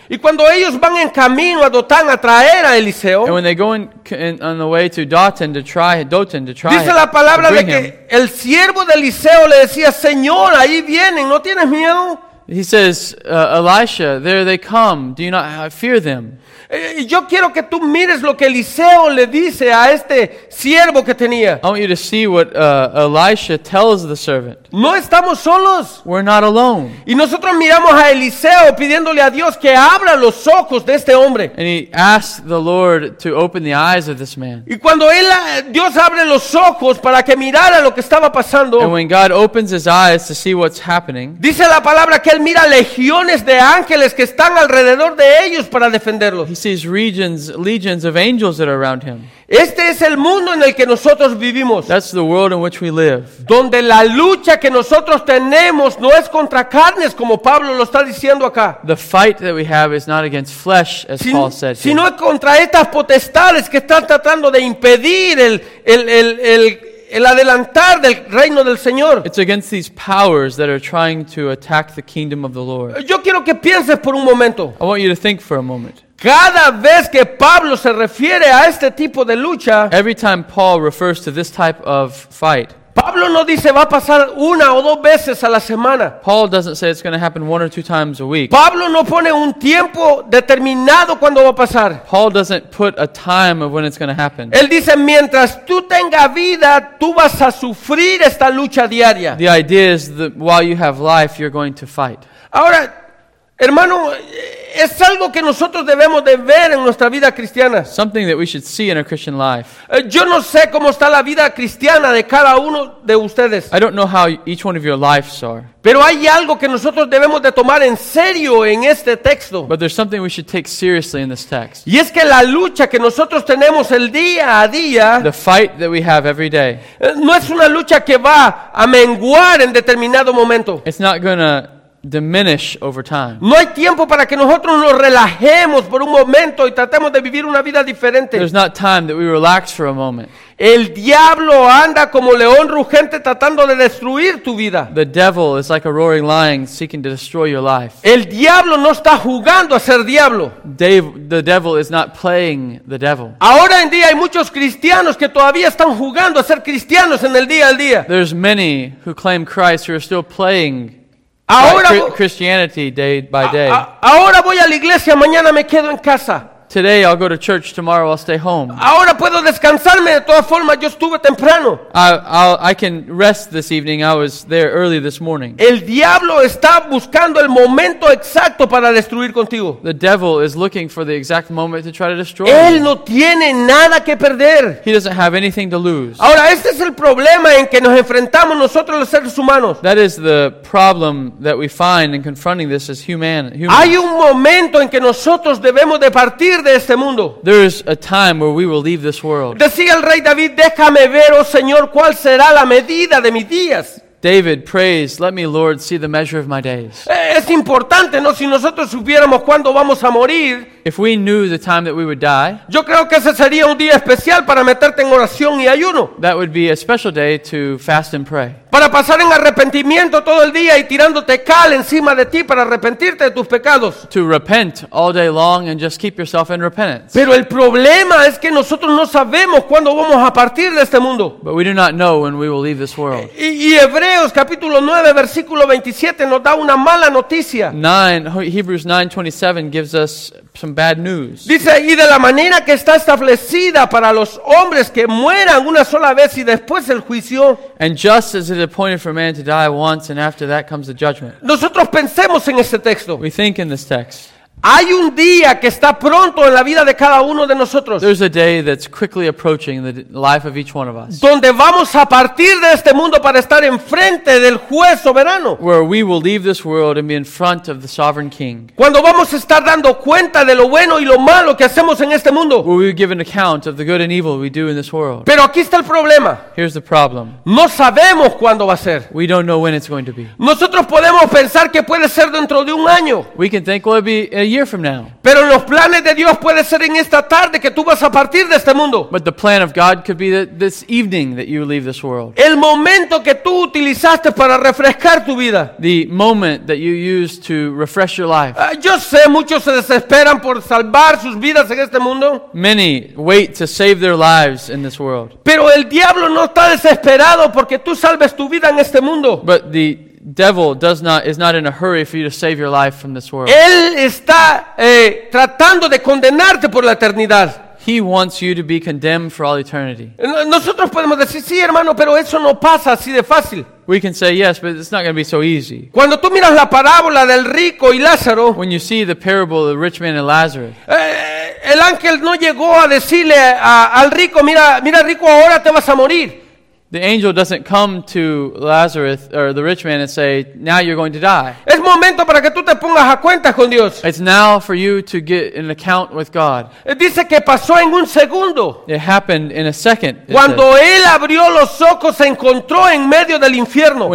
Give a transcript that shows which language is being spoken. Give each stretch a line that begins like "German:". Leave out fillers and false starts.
Spanish: Y cuando ellos van en camino a Dotán a traer a Eliseo.
English: And when they go on the way to Dotan to try.
Spanish: Dice la palabra de que el siervo de Eliseo le decía, Señor, ahí vienen, ¿no tienes miedo?
English: He says, Elisha, there they come. Do you not fear them?
Spanish: Yo quiero que tú mires lo que Eliseo le dice a este siervo que tenía.
English: I want you to see what Elisha tells the servant.
Spanish: No estamos solos.
English: We're not alone.
Spanish: Y nosotros miramos a Eliseo pidiéndole a Dios que abra los ojos de este hombre.
English: And he asked the Lord to open the eyes of this man.
Spanish: Y cuando Dios abre los ojos para que mirara lo que estaba pasando.
English: And when God opens his eyes to see what's happening.
Spanish: Dice la palabra que él mira legiones de ángeles que están alrededor de ellos para defenderlos.
English: He sees legions of angels that are around him.
Spanish: Este es el mundo en el que nosotros vivimos.
English: That's the world in which we live.
Spanish: Donde la lucha que nosotros tenemos no es contra carnes, como Pablo lo está diciendo acá.
English: The fight that we have is not against flesh, as Paul said.
Spanish: Sino contra estas potestades que están tratando de impedir el adelantar del reino del Señor.
English: It's against these powers that are trying to attack the kingdom of the Lord.
Spanish: Yo quiero que pienses por un momento.
English: I want you to think for a moment.
Spanish: Cada vez que Pablo se refiere a este tipo de lucha,
English: every time Paul refers to this type of fight,
Spanish: Pablo no dice va a pasar una o dos veces a la semana.
English: Paul doesn't say it's going to happen one or two times a week.
Spanish: Pablo no pone un tiempo determinado cuando va a pasar.
English: Paul doesn't put a time of when it's going to happen.
Spanish: Él dice mientras tú tengas vida, tú vas a sufrir esta lucha diaria.
English: The idea is that while you have life, you're going to fight.
Spanish: Ahora, hermano, es algo que nosotros debemos de ver en nuestra vida cristiana.
English: Something that we should see in our Christian life.
Spanish: Yo no sé cómo está la vida cristiana de cada uno de ustedes.
English: I don't know how each one of your lives are.
Spanish: Pero hay algo que nosotros debemos de tomar en serio en este texto.
English: But there's something we should take seriously in this text.
Spanish: Y es que la lucha que nosotros tenemos el día a día,
English: the fight that we have every day,
Spanish: no es una lucha que va a menguar en determinado momento.
English: It's not gonna diminish over time.
Spanish: No hay tiempo para que nosotros nos relajemos por un momento y tratemos de vivir una vida diferente.
English: There's not time that we relax for a moment.
Spanish: El diablo anda como león rugente tratando de destruir tu vida.
English: The devil is like a roaring lion seeking to destroy your life.
Spanish: El diablo no está jugando a ser diablo.
English: The devil is not playing the devil.
Spanish: Ahora en día hay muchos cristianos que todavía están jugando a ser cristianos en el día a día.
English: There's many who claim Christ who are still playing Christianity day by day.
Spanish: Ahora voy a la iglesia, mañana me quedo en casa.
English: Today I'll go to church, tomorrow I'll stay home.
Spanish: Ahora puedo descansarme, de todas formas yo estuve temprano.
English: I can rest this evening, I was there early this morning.
Spanish: El diablo está buscando el momento exacto para destruir contigo.
English: The devil is looking for the exact moment to try to destroy.
Spanish: Él no tiene nada que perder.
English: He doesn't have anything to lose.
Spanish: Ahora este es el problema en que nos enfrentamos nosotros los seres humanos.
English: That is the problem that we find in confronting this as humans.
Spanish: Hay un momento en que nosotros debemos de partir de este mundo.
English: There is a time where we will leave this world.
Spanish: Decía el rey David, déjame ver, oh Señor, cuál será la medida de mis días.
English: David prays, let me, Lord, see the measure of my days.
Spanish: Es importante, ¿no? Si nosotros supiéramos cuándo vamos a morir,
English: if we knew the time that we would die,
Spanish: yo creo que ese sería un día especial para meterte en oración y ayuno.
English: That would be a special day to fast and pray.
Spanish: Para pasar en arrepentimiento todo el día y tirándote cal encima de ti para arrepentirte de tus pecados.
English: To repent all day long and just keep yourself in repentance.
Spanish: Pero el problema es que nosotros no sabemos cuándo vamos a partir de este mundo.
English: But we do not know when we will leave this world.
Spanish: Y Hebreos capítulo 9 versículo 27 nos da una mala noticia.
English: Hebrews 9:27 gives us some bad news.
Spanish: Dice, y de la manera que está establecida para los hombres que mueran una sola vez y después el juicio.
English: And just as it is appointed for man to die once and after that comes the judgment.
Spanish: Nosotros pensemos en este texto.
English: We think in this text.
Spanish: Hay un día que está pronto en la vida de cada uno de nosotros.
English: There's a day that's quickly approaching in the life of each one of us.
Spanish: Donde vamos a partir de este mundo para estar enfrente del juez soberano.
English: Where we will leave this world and be in front of the sovereign king.
Spanish: Cuando vamos a estar dando cuenta de lo bueno y lo malo que hacemos en este mundo.
English: Where we will give an account of the good and evil we do in this world.
Spanish: Pero aquí está el problema.
English: Here's the problem.
Spanish: No sabemos cuándo va a ser.
English: We don't know when it's going to be.
Spanish: Nosotros podemos pensar que puede ser dentro de un año.
English: We can think it'll be a year from now.
Spanish: Pero los planes de Dios puede ser en esta tarde que tú vas a partir de este mundo.
English: But the plan of God could be that this evening that you leave this world.
Spanish: El momento que tú utilizaste para refrescar tu vida.
English: The moment that you used to refresh your life.
Spanish: Yo sé, muchos se desesperan por salvar sus vidas en este mundo.
English: Many wait to save their lives in this world.
Spanish: Pero el diablo no está desesperado porque tú salves tu vida en este mundo.
English: But the devil is not in a hurry for you to save your life from this world.
Spanish: Él está tratando de condenarte por la eternidad.
English: He wants you to be condemned for all eternity.
Spanish: Nosotros podemos decir, sí, hermano, pero eso no pasa así de fácil.
English: We can say yes, but it's not going to be so easy.
Spanish: Cuando tú miras la parábola del rico y Lázaro,
English: when you see the parable of the rich man and Lazarus,
Spanish: el ángel no llegó a decirle al rico, mira, mira rico, ahora te vas a morir.
English: The angel doesn't come to Lazarus or the rich man and say, now you're going to die.
Spanish: Es momento para que tú te pongas a cuentas con Dios.
English: It's now for you to get an account with God.
Spanish: Dice que pasó en un segundo.
English: It happened in a second.
Spanish: Cuando él abrió los ojos, se encontró en medio del infierno.